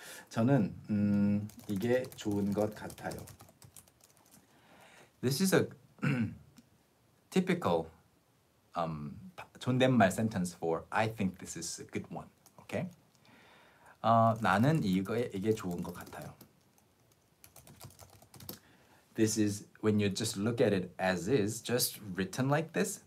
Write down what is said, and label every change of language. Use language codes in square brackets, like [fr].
[ko] 저는 이게 좋은 것 같아요. [en] This is a typical 존댓말 sentence for I think this is a good one. Okay? [ko] 나는 이게 좋은 것 같아요. [en] This is when you just look at it as is, just written like this.